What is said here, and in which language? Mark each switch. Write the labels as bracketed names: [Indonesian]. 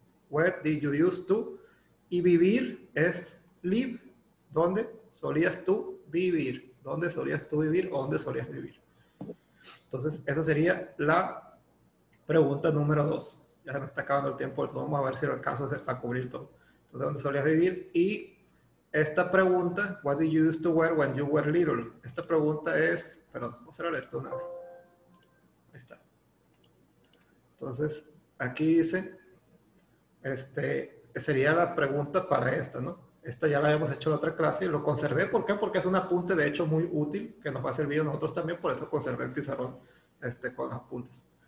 [English] Where did you used to? [Spanish] Y vivir es live. ¿Dónde solías tú vivir? ¿Dónde solías tú vivir o dónde solías vivir? Entonces, esa sería la pregunta número 2. Ya se me está acabando el tiempo, vamos a ver si lo alcanzo a cubrir todo. Entonces, ¿dónde solías vivir? Y esta pregunta, [English] what did you used to wear when you were little? [Spanish] Esta pregunta es, perdón, voy a cerrar esto una vez. Ahí está. Entonces, aquí dice, sería la pregunta para esta, ¿no? Esta ya la habíamos hecho en otra clase y lo conservé. ¿Por qué? Porque es un apunte, de hecho, muy útil que nos va a servir a nosotros también, por eso conservé el pizarrón con los apuntes.